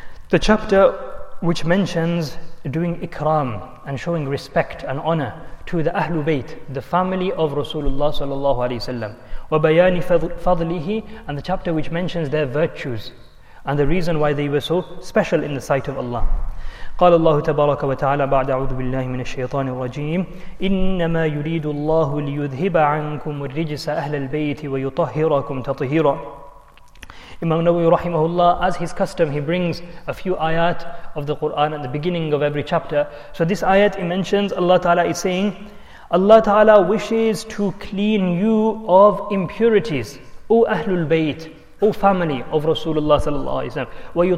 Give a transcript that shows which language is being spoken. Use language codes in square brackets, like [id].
[en] The chapter which mentions doing ikram and showing respect and honor to the ahlu bayt, the family of Rasulullah sallallahu alayhi wa sallam, [ar] wa bayani fadlihi, [en] and the chapter which mentions their virtues and the reason why they were so special in the sight of Allah. [ar] قال الله تبارك وتعالى بعد أعوذ بالله من الشيطان الرجيم إنما يريد الله ليذهب عنكم الرجس أهل البيت ويطهركم تطهيرا. [en] Imam Nawawi rahimahullah, as his custom, he brings a few ayat of the Quran at the beginning of every chapter. So this ayat, it mentions Allah Ta'ala is saying, Allah Ta'ala wishes to clean you of impurities, O Ahlul Bayt, O family of Rasulullah sallallahu alaihi wasallam.